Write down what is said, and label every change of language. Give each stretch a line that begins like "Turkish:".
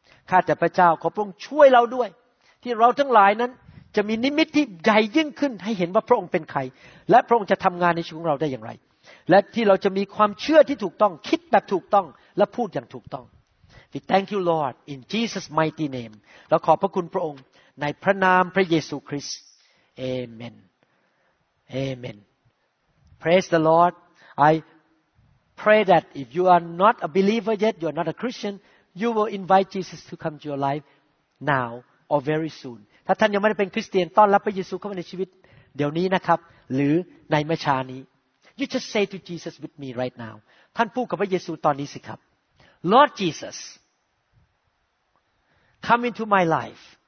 Thai: ข้าแต่พระเจ้าขอพระองค์ช่วยเราด้วยที่เราทั้งหลายนั้นจะมีนิมิตที่ใหญ่ยิ่งขึ้นให้เห็นว่าพระองค์เป็นใครและพระองค์จะทำงานในชีวิตของเราได้อย่างไรและที่เราจะมีความเชื่อที่ถูกต้องคิดแบบถูกต้องและพูดอย่างถูกต้อง
English: We thank you, Lord, in Jesus' mighty name.
Thai: เราขอบพระคุณพระองค์ในพระนามพระเยซูคริสต์ Amen.
English: Amen. Praise the Lord. I pray that if you are not a believer yet, you are not a Christian, you will invite Jesus to come to your life now or very soon
Thai: ถ้าท่านยังไม่ได้เป็นคริสเตียนต้อนรับพระเยซูเข้ามาในชีวิตเดี๋ยวนี้นะครับหรือในไม่ช้านี้
English: You just say to Jesus with me right now
Thai: ท่านพูดกับพระเยซูตอนนี้สิครับ
English: Lord Jesus come into my life